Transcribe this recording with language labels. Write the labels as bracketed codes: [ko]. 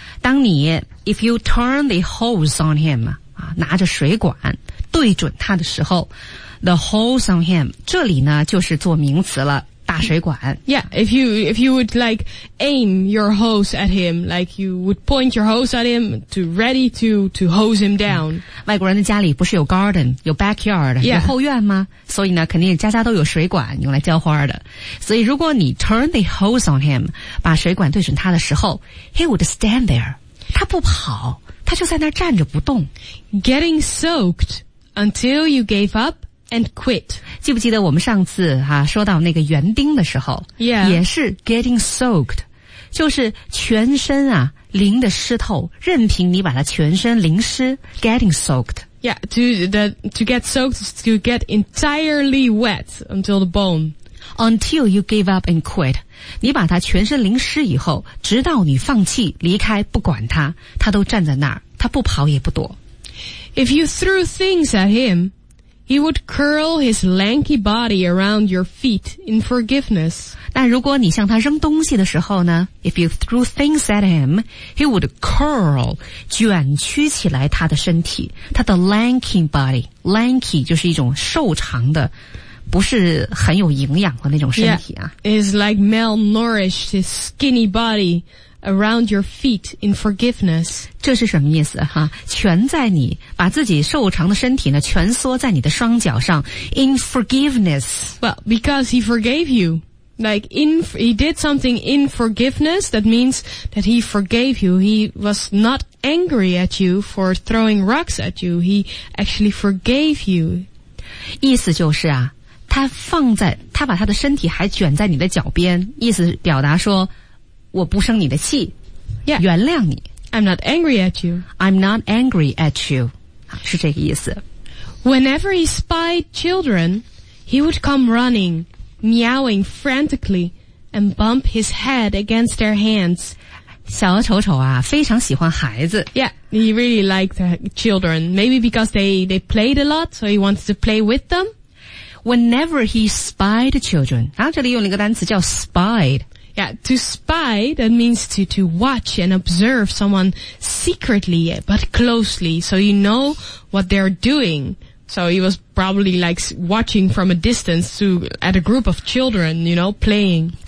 [zh] 当你 [en] if you turn the hose on him, [zh] 拿着水管对准他的时候 [en] the hose on him, [zh] 这里呢就是做名词了，大水管。 [en] Yeah, if you would like aim your hose at him, like you would point your hose at him to ready to hose him down. [zh] 外国人的家里不是有 garden, 有 backyard,、 [en] yeah. [zh] 有后院吗？所以呢肯定家家都有水管用来浇花的。所以如果你 [en] turn the hose on him, [zh] 把水管对准他的时候 [en] he would stand there. [zh] 他不跑，他就在那站着不动。 [en] Getting soaked until you gave up and quit. [zh] 记不记得我们上次、说到那个园丁的时候、 [en] yeah. [zh] 也是 [en] getting soaked, [zh] 就是全身啊淋得湿透，任凭你把它全身淋湿 ，getting soaked. [en] Yeah, to get soaked is to get entirely wet until the bone. Until you give up and quit, [zh] 你把它全身淋湿以后，直到你放弃离开，不管它，它都站在那儿，它不跑也不躲。 [en] If you threw things at him, he would curl his lanky body around your feet in forgiveness. [zh] 但如果你向他扔东西的时候呢 [en] If you threw things at him, he would curl, [zh] 卷曲起来他的身体，他的 [en] lanky body, [zh] lanky 就是一种瘦长的，不是很有营养的那种身体啊。 [en] Yeah, it's like malnourished, his skinny body around your feet in forgiveness. [zh] 这是什么意思哈？蜷在你，把自己瘦长的身体呢，蜷缩在你的双脚上 [en] in forgiveness. Well, because he forgave you. Like, he did something in forgiveness, that means that he forgave you. He was not angry at you for throwing rocks at you. He actually forgave you. [zh] 意思就是啊，他把他的身体还卷在你的脚边，意思表达说，我不生你的气， [en] yeah. [zh] 原谅你。 [en] I'm not angry at you. I'm not angry at you. [zh] 是这个意思。 [en] Whenever he spied children, he would come running. Meowing frantically and bump his head against their hands. [zh] 小丑丑啊非常喜欢孩子。 [en] Yeah, he really liked children. Maybe because they played a lot, so he wanted to play with them. whenever he spied children. [zh] 啊，这里用了一个单词叫 spied。 [en] Yeah, to spy, that means to watch and observe someone secretly but closely, so you know what they're doing. So he was probably like watching from a distance to, at a group of children, you know, playing.